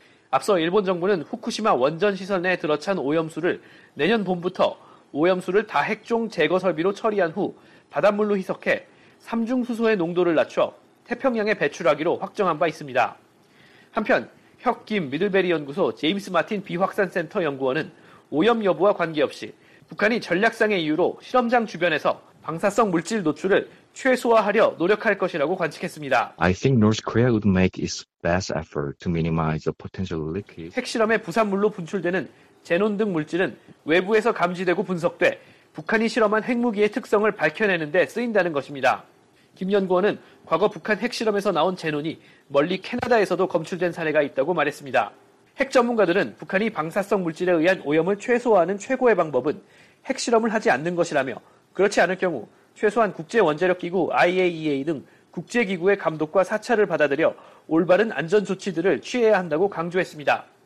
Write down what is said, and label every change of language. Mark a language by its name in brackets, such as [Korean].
[Korean] 앞서 일본 정부는 후쿠시마 원전 시설 내에 들어찬 오염수를 내년 봄부터 오염수를 다핵종 제거 설비로 처리한 후 바닷물로 희석해 삼중수소의 농도를 낮춰 태평양에 배출하기로 확정한 바 있습니다. 한편 혁김 미들베리 연구소 제임스 마틴 비확산센터 연구원은 오염 여부와 관계없이 북한이 전략상의 이유로 실험장 주변에서 방사성 물질 노출을 최소화하려 노력할 것이라고 관측했습니다. [English] I think North Korea would make its best effort to minimize the potential leakage. [Korean] 핵실험의 부산물로 분출되는 제논 등 물질은 외부에서 감지되고 분석돼 북한이 실험한 핵무기의 특성을 밝혀내는 데 쓰인다는 것입니다. 김 연구원은 과거 북한 핵실험에서 나온 제논이 멀리 캐나다에서도 검출된 사례가 있다고 말했습니다. 핵 전문가들은 북한이 방사성 물질에 의한 오염을 최소화하는 최고의 방법은 핵실험을 하지 않는 것이라며 그렇지 않을 경우 최소한 국제원자력기구 IAEA 등 국제기구의 감독과 사찰을 받아들여 올바른 안전조치들을 취해야 한다고 강조했습니다.